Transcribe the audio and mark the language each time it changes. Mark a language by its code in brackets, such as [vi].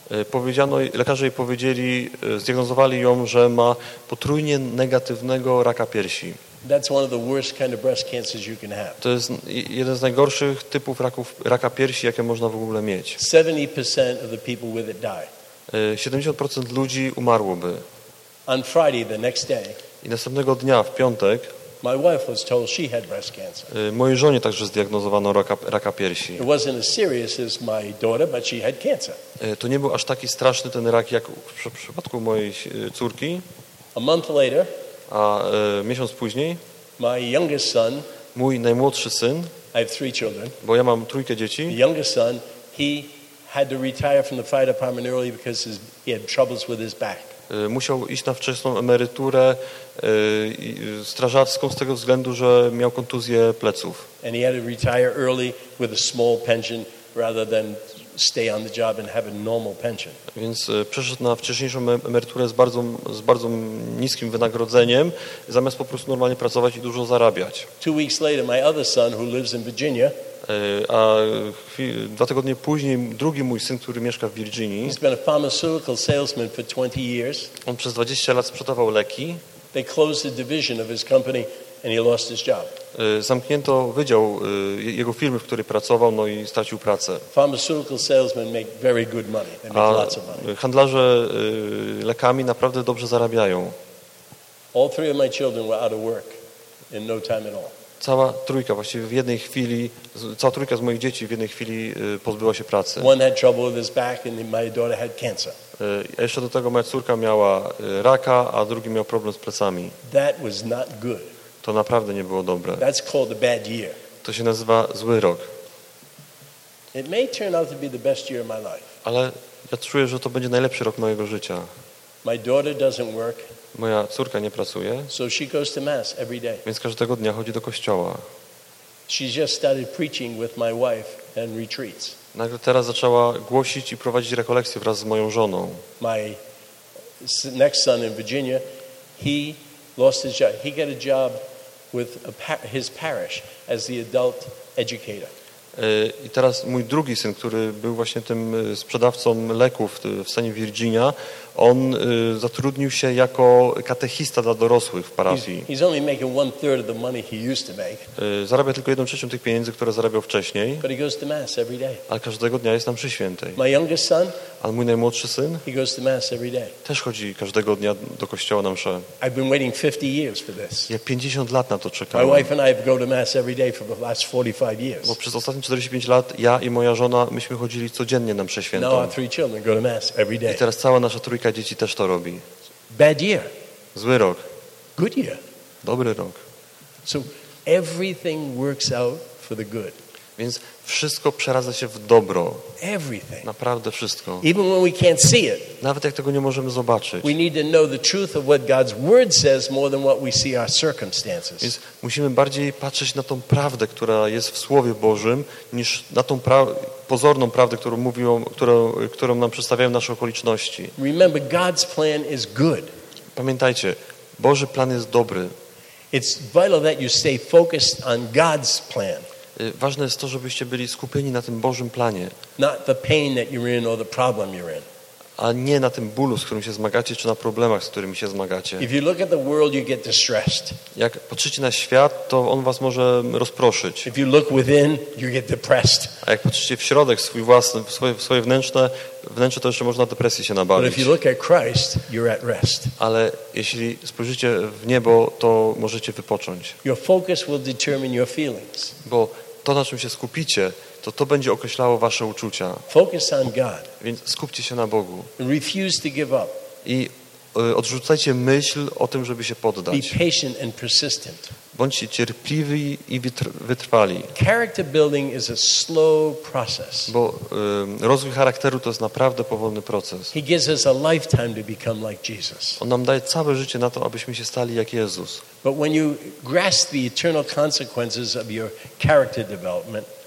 [pl] Powiedziano, lekarze jej powiedzieli, zdiagnozowali ją, że ma potrójnie negatywnego raka piersi. [en] That's one of the worst kind of breast cancers you can have. [pl] To jest jeden z najgorszych typów raka piersi, jakie można w ogóle mieć. [en] 70% of the people with it die. [pl] 70% ludzi umarłoby. [en] On Friday, the next day. [pl] I następnego dnia, w piątek. [en] My wife was told she had breast cancer. [pl] Mojej żonie także zdiagnozowano raka piersi. [en] It wasn't as serious as my daughter, but she had cancer. [pl] To nie był aż taki straszny ten rak, jak w przypadku mojej córki. [en] A month later. [pl] A miesiąc później. [en] My youngest son. [pl] Mój najmłodszy syn. [en] I have three children. [pl] Bo ja mam trójkę dzieci. [en] The youngest son, he had to retire from the fire department early because he had troubles with his back. [pl] Musiał iść na wczesną emeryturę strażacką z tego względu, że miał kontuzję pleców. [en] And he had to retire early with a small pension rather than stay on the job and have a normal pension. [pl] Więc przeszedł na wcześniejszą emeryturę z bardzo niskim wynagrodzeniem, zamiast po prostu normalnie pracować i dużo zarabiać. [en] 2 weeks later, my other son, who lives in Virginia, [pl] a 2 tygodnie później drugi mój syn, który mieszka w Virginii. [en] He's been a pharmaceutical salesman for 20 years. [pl] On przez 20 lat sprzedawał leki. [en] They closed the division of his company and he lost his job. [pl] Zamknięto wydział jego firmy, w której pracował, no i stracił pracę. [en] Pharmaceutical salesmen make very good money. They make lots of money. [pl] Handlarze lekami naprawdę dobrze zarabiają. [en] All three of my children were out of work in no time at all. [pl] Cała trójka, właściwie w jednej chwili, cała trójka z moich dzieci w jednej chwili pozbyła się pracy. [en] One had trouble with his back and my daughter had cancer. [pl] Jeszcze do tego moja córka miała raka, a drugi miał problem z plecami. [en] That was not good. [pl] To naprawdę nie było dobre. [en] That's called a bad year. [pl] To się nazywa zły rok. [en] It may turn out to be the best year of my life. [pl] Ale ja czuję, że to będzie najlepszy rok mojego życia. [en] My daughter doesn't work. [pl] Moja córka nie pracuje, [en] so she goes to mass every day. [pl] Więc każdego dnia chodzi do kościoła. [en] She just started preaching with my wife and retreats. [pl] Nagle teraz zaczęła głosić i prowadzić rekolekcje wraz z moją żoną. [en] My next son in Virginia, he lost his job. He got a job with his parish as the adult educator. [pl] I teraz mój drugi syn, który był właśnie tym sprzedawcą leków w stanie Virginia, on zatrudnił się jako katechista dla dorosłych w parafii. [en] He's only making one third of the money he used to make. [pl] Zarabia tylko 1/3 tych pieniędzy, które zarabiał wcześniej. [en] But he goes to mass every day. [pl] Ale każdego dnia jest na mszy świętej. [en] My youngest son, [pl] ale mój najmłodszy syn, [en] he goes to mass every day. [pl] Też chodzi każdego dnia do kościoła na mszę. [en] I've been waiting 50 years for this. [pl] Ja 50 lat na to czekałem. [en] My wife and I have gone to mass every day for the last 45 years. [pl] Bo przez ostatnie 45 lat ja i moja żona myśmy chodzili codziennie na mszę świętą. [en] Now our three children go to mass every day. [pl] I teraz cała nasza trójka dzieci też to robi. [en] Bad year. [pl] Zły rok. [en] Good year. [pl] Dobry rok. [en] So everything works out for the good. [pl] Więc wszystko przeradza się w dobro. [en] Everything. [pl] Naprawdę wszystko. [en] Even when we can't see it. [pl] Nawet jak tego nie możemy zobaczyć. [en] We need to know the truth of what God's word says more than what we see our circumstances. [pl] Więc musimy bardziej patrzeć na tą prawdę, która jest w Słowie Bożym, niż na tą pozorną prawdę, którą nam przedstawiają nasze okoliczności. [en] Remember, God's plan is good. [pl] Pamiętajcie, Boży plan jest dobry. [en] It's vital that you stay focused on God's plan. [pl] Ważne jest to, żebyście byli skupieni na tym Bożym planie. [en] Not the pain that you're in or the problem you're in. [pl] A nie na tym bólu, z którym się zmagacie, czy na problemach, z którymi się zmagacie. [en] If you look at the world, you get distressed. [pl] Jak patrzycie na świat, to on was może rozproszyć. [en] If you look within, you get depressed. [pl] A jak patrzycie w środek, swoje wnętrze, to jeszcze można depresji się nabawić. [en] But if you look at Christ, you're at rest. [pl] Ale jeśli spojrzycie w niebo, to możecie wypocząć. [en] Your focus will determine your feelings. [pl] Bo to, na czym się skupicie, to będzie określało wasze uczucia. [en] Focus on God. [pl] Więc skupcie się na Bogu. [en] Refuse to give up. [pl] I odrzucajcie myśl o tym, żeby się poddać. [en] Be patient and persistent. [pl] Bądźcie cierpliwi i wytrwali. [en] Character building is a slow process. [pl] Bo rozwój charakteru to jest naprawdę powolny proces. [en] He gives us a lifetime to become like Jesus. [pl] On nam daje całe życie na to, abyśmy się stali jak Jezus. [en] But when you grasp the eternal consequences of your character development,